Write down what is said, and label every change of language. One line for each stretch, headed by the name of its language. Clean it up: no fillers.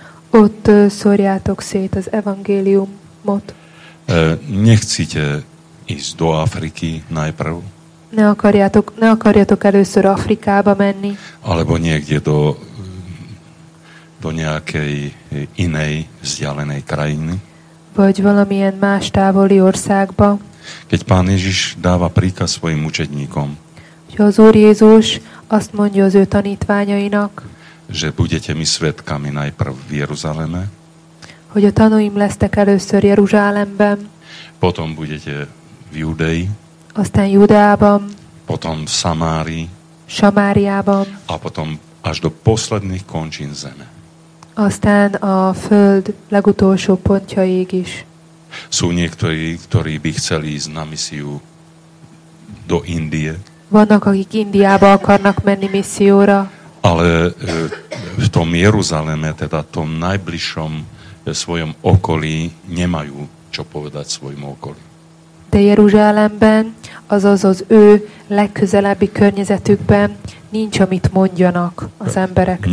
Hungarian: Ott szórjátok szét az evangéliumot.
Slovak: Nechcíte ísť do Afriky najprv?
Hungarian: Ne akarjatok először Afrikába menni.
Slovak: Alebo niekde do nejakej inej vzdialenej krajiny.
Hungarian: Vagy valamilyen más távoli országba.
Slovak: Keď Pán Ježiš dáva príkaz svojim učedníkom.
Hungarian: Že az Úr Jézus azt mondja az ő tanítványainak.
Slovak: Že budete mi svedkami najprv v Jeruzaleme.
Hungarian: Hogy a tanúim lesztek először Jeruzsálemben.
Slovak: Potom budete v Judei.
Hungarian: Aztán Judeában.
Slovak: Potom v Samárii.
Hungarian: Samáriában.
Slovak: A potom až do posledných končín zeme.
Hungarian: Aztán a föld legutolsó pontjaig is.
Slovak: Sú niektorí, ktorí by chceli ísť na misiu do Indie.
Hungarian: Vannak, akik Indiába akarnak menni misióra.
Slovak: Ale v tom Jeruzaleme, teda tom najbližšom svojom okolí, nemajú čo povedať svojmu okolí.
Hungarian: De Jeruzsálemben, azaz az ő legközelebbi környezetükben nincs, amit mondjanak az embereknek.